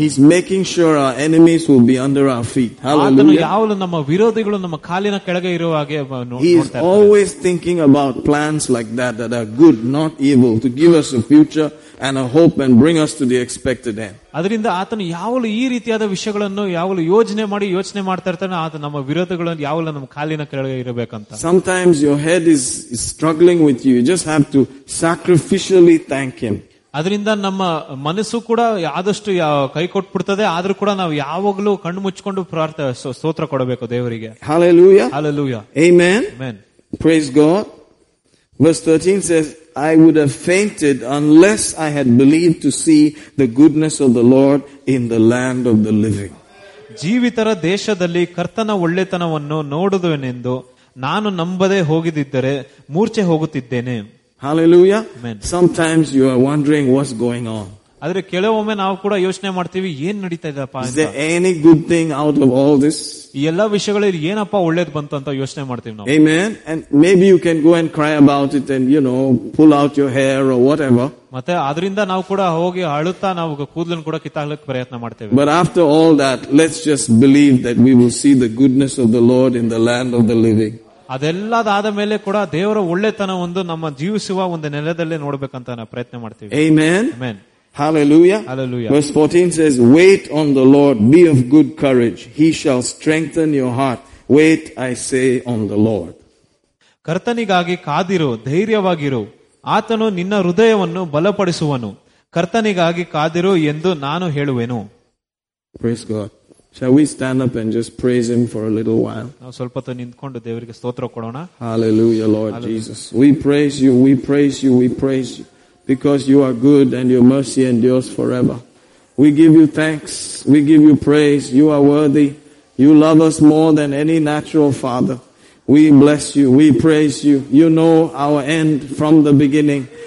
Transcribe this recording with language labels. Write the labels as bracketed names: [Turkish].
[English] He's making sure our enemies will be under our feet. Hallelujah. [Kannada] ಯಾವಾಗಲೂ ನಮ್ಮ ವಿರೋಧಿಗಳು ನಮ್ಮ ಕಾಲಿನ ಕೆಳಗೆ ಇರುವ ಹಾಗೆ ನೋಡ್ತಾರೆ. [English] He's always thinking about plans like that are good, not evil, to give us a future and a hope and bring us to the expected end. [Kannada] ಅದರಿಂದ ಆತನು ಯಾವಾಗಲೂ ಈ ರೀತಿಯಾದ ವಿಷಯಗಳನ್ನು ಯಾವಾಗಲೂ ಯೋಚನೆ ಮಾಡ್ತಾ ಇರ್ತಾನೆ. ಆತ ನಮ್ಮ ವಿರೋಧಗಳನ್ನು ಯಾವಾಗಲೂ ನಮ್ಮ ಕಾಲಿನ ಕೆಳಗೆ ಇರಬೇಕಂತ. [English] Sometimes your head is struggling with you. You just have to sacrificially thank him. [Kannada] ಅದರಿಂದ ನಮ್ಮ ಮನಸ್ಸು ಕೂಡ ಆದಷ್ಟು ಕೈ ಕೊಟ್ಬಿಡ್ತದೆ, ಆದ್ರೂ ಕೂಡ ನಾವು ಯಾವಾಗಲೂ ಕಣ್ಣು ಮುಚ್ಕೊಂಡು ಪ್ರಾರ್ಥನೆ ಸ್ತೋತ್ರ ಕೊಡಬೇಕು ದೇವರಿಗೆ. [English] Hallelujah. Hallelujah. Amen. Amen. Praise God. Verse 13 says, I would have fainted unless I had believed to see the goodness of the Lord in the land of the living. [Kannada] ಜೀವಿತರ ದೇಶದಲ್ಲಿ ಕರ್ತನ ಒಳ್ಳೆತನವನ್ನು ನೋಡುವೆನೆಂದು ನಾನು ನಂಬದೇ ಹೋಗಿದ್ದರೆ ಮೂರ್ಛೆ ಹೋಗುತ್ತಿದ್ದೇನೆ. [English] Hallelujah. Amen. Sometimes you are wondering what's going on. [Kannada] ಆದರೆ ಕೆಲವೊಮ್ಮೆ ನಾವು ಕೂಡ ಯೋಚನೆ ಮಾಡ್ತೀವಿ, ಏನ್ ನಡೀತಾ ಇದೆಪ್ಪ ಅಂತ. [English] Is there any good thing out of all this? [Kannada] ಈ ಎಲ್ಲ ವಿಷಯಗಳಲ್ಲಿ ಏನಪ್ಪ ಒಳ್ಳೇದ್ ಬಂತು ಅಂತ ಯೋಚನೆ ಮಾಡ್ತೀವಿ ನಾವು. [English] Amen. And maybe you can go and cry about it and you know pull out your hair or whatever. [Kannada] ಮತ್ತೆ ಅದರಿಂದ ನಾವು ಕೂಡ ಹೋಗಿ ಅಳುತ್ತಾ ನಾವು ಕೂದಲನ್ನು ಕೂಡ ಕಿತ್ತಾಕ್ಲಿಕ್ಕೆ ಪ್ರಯತ್ನ ಮಾಡ್ತೇವೆ. [English] But after all that, let's just believe that we will see the goodness of the Lord in the land of the living. [Kannada] ಅದೆಲ್ಲದಾದ ಮೇಲೆ ಕೂಡ ದೇವರ ಒಳ್ಳೆತನ ಒಂದು ನಮ್ಮ ಜೀವಿಸುವ ಒಂದು ನೆಲದಲ್ಲಿ ನೋಡಬೇಕಂತ ಪ್ರಯತ್ನ ಮಾಡ್ತೀವಿ. [English] Amen. Amen. Hallelujah. Hallelujah. Verse 14 says, Wait on the Lord, be of good courage. He shall strengthen your heart. Wait, I say, on the Lord. [Kannada] ಕರ್ತನಿಗಾಗಿ ಕಾದಿರು, ಧೈರ್ಯವಾಗಿರು, ಆತನು ನಿನ್ನ ಹೃದಯವನ್ನು ಬಲಪಡಿಸುವನು. ಕರ್ತನಿಗಾಗಿ ಕಾದಿರು ಎಂದು ನಾನು ಹೇಳುವೆನು. [English] Praise God. Shall we stand up and just praise him for a little while? [Kannada] ನಾವು ಸ್ವಲ್ಪ ಹೊತ್ತು ನಿಂತ್ಕೊಂಡು ದೇವರಿಗೆ ಸ್ತೋತ್ರ ಕೊಡೋಣ. [English] Hallelujah, Lord Jesus. We praise you. Because you are good and your mercy endures forever. We give you thanks. We give you praise. You are worthy. You love us more than any natural father. We bless you. We praise you. You know our end from the beginning.